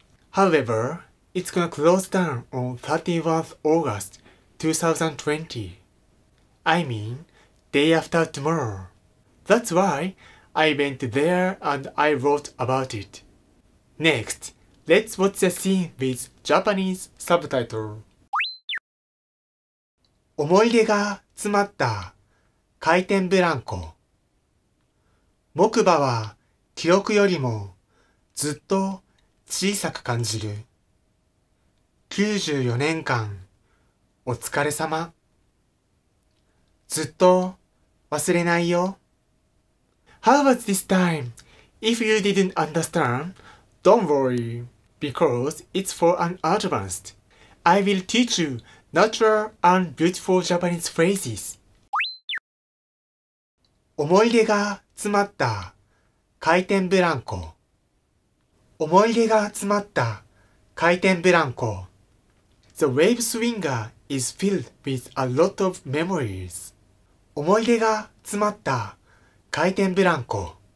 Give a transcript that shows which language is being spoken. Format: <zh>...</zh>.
<en>However, it's gonna close down on 31st August 2020. I mean, day after tomorrow. That's why I went there and I wrote about it. Next, let's watch the scene with Japanese subtitle.</en> <ja>思い出が詰まった回転ブランコ。木馬は記憶よりもずっと小さく感じる。 94年間お疲れ様。ずっと忘れないよ。</ja> <en>How was this time? If you didn't understand, don't worry, because it's for an advanced. I will teach you natural and beautiful Japanese phrases.</en> <ja>思い出が詰まった回転ブランコ。思い出が詰まった回転ブランコ。</ja> <en>The wave swinger is filled with a lot of memories.</en> <ja>思い出が詰まった回転ブランコ。</ja>